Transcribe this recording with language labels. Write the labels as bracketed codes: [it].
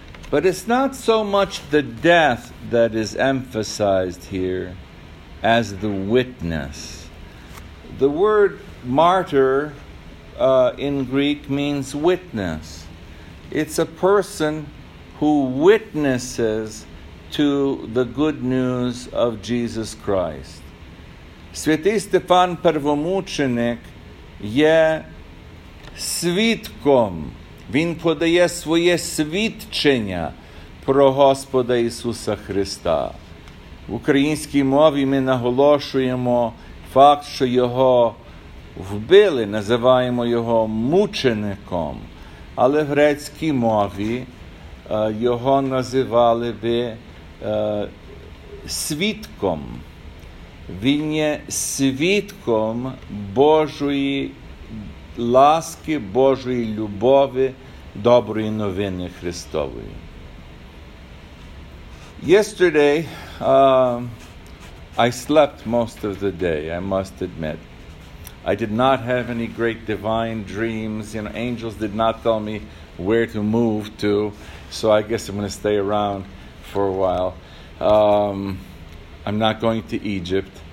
[en] But it's not so much the death that is emphasized here as the witness. The word martyr in Greek means witness. It's a person who witnesses to the good news of Jesus Christ. [uk] Святий Стефан Первомученик є свідком. Він подає своє свідчення про Господа Ісуса Христа. В українській мові ми наголошуємо факт, що його вбили, називаємо його мучеником. Але в грецькій мові його називали би свідком. Він є свідком Божої ласки, Божої любові, доброї новини Христової. [en] Yesterday, I slept most of the day, I must admit. I did not have any great divine dreams. You know, angels did not tell me where to move to. So I guess I'm going to stay around for a while. I'm not going to Egypt.